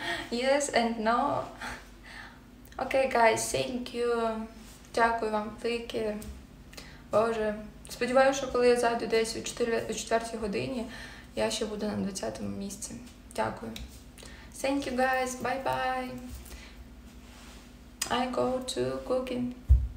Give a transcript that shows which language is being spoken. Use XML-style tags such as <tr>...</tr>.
<en>Yes and no. Okay, guys, thank you.</en> <uk>Дякую вам, Вики. Боже, сподіваюся, що коли я зайду десь у 4-й годині, я ще буду на 20-му місці. Дякую.</uk> <en>Thank you guys. Bye-bye. I go to cooking.</en>